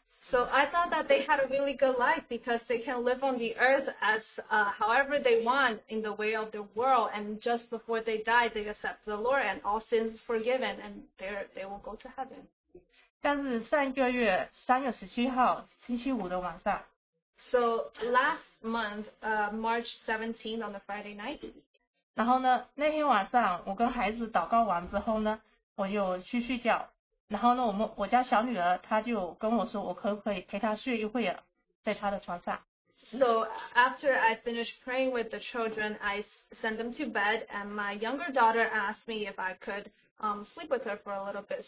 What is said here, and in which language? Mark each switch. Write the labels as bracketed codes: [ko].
[en] So I thought that they had a really good life because they can live on the earth as however they want in the way of the world, and just before they die, they accept the Lord and all sins forgiven, and they will go to heaven. [zh] 但是上个月3月17号星期五的晚上, [en] so last month, March 17th on the Friday night. [zh] 然后呢，那天晚上我跟孩子祷告完之后呢，我就去睡觉。然后呢，我家小女儿她就跟我说，我可不可以陪她睡一会儿，在她的床上。 [en] So after I finished praying with the children, I sent them to bed, and my younger daughter asked me if I could sleep with her for a little bit.